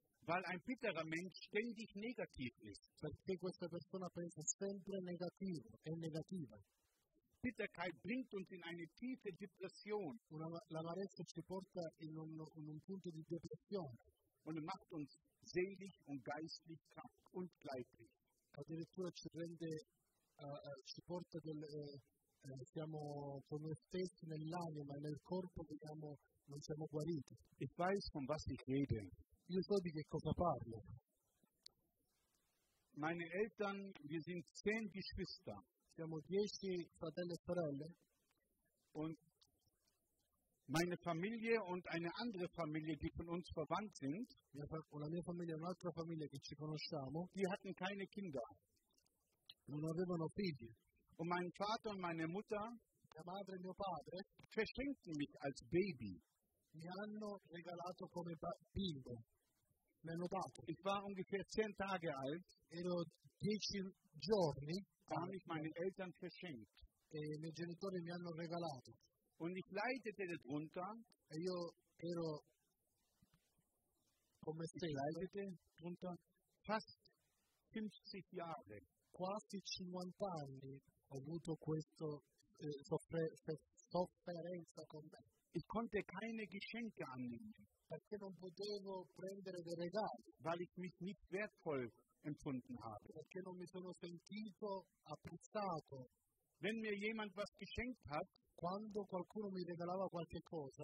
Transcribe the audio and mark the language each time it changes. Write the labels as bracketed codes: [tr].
[de] Weil ein bitterer Mensch ständig negativ ist. [it] Perché questa persona pensa sempre negativo, è negativa. [de] Bitterkeit bringt uns in eine tiefe Depression. [it] Una, l'amarezza ci porta in un punto di depressione. [de] Und macht uns selig und geistlich krank und leiblich. [it] Addirittura ci rende, ci porta del, siamo con noi stessi nell'anima, nel corpo, diciamo, non siamo guariti. [de] Ich weiß, von was ich rede. [it] Io so di che cosa parlo. [de] Meine Eltern, wir sind 10 Geschwister. [it] Siamo 10 fratelli e sorelle. [de] Und meine Familie und eine andere Familie, die von uns verwandt sind, [it] una mia famiglia, un'altra famiglia che ci conosciamo, [de] die hatten keine Kinder. [it] Non avevano figli. [de] Und mein Vater und meine Mutter, [it] mia madre e mio padre, [de] verschenkten mich als Baby. [it] Mi hanno regalato come bimbo. Mi hanno dato. [de] Ich war ungefähr 10 Tage alt. [it] Ero 10 giorni. [de] Da habe ich meinen Eltern verschenkt. [it] E i miei genitori mi hanno regalato. [de] Und ich leidete darunter. [it] E io ero come se [de] leidete darunter fast 50 Jahre. [it] Quasi 50 anni ho avuto questa sofferenza con me. [de] Ich konnte keine Geschenke annehmen. [it] Perché non potevo prendere dei regali. [de] Weil ich mich nicht wertvoll empfunden habe. [it] Perché non mi sono sentito apprezzato. [de] Wenn mir jemand was geschenkt hat, [it] quando qualcuno mi regalava qualche cosa,